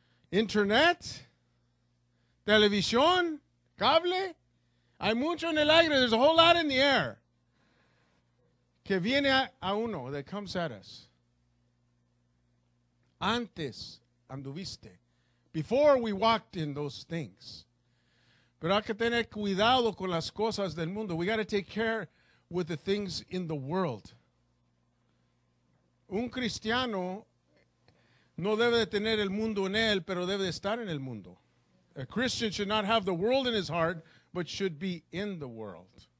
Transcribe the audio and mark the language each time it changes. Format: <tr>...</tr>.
<es>Internet, televisión, cable, hay mucho en el aire.</es> <en>There's a whole lot in the air.</en> <es>Que viene a uno,</es> <en>that comes at us.</en> <es>Antes anduviste.</es> <en>Before we walked in those things.</en> <es>Pero hay que tener cuidado con las cosas del mundo.</es> <en>We got to take care with the things in the world.</en> <es>Un cristiano no debe de tener el mundo en él, pero debe de estar en el mundo.</es> <en>A Christian should not have the world in his heart, but should be in the world.</en>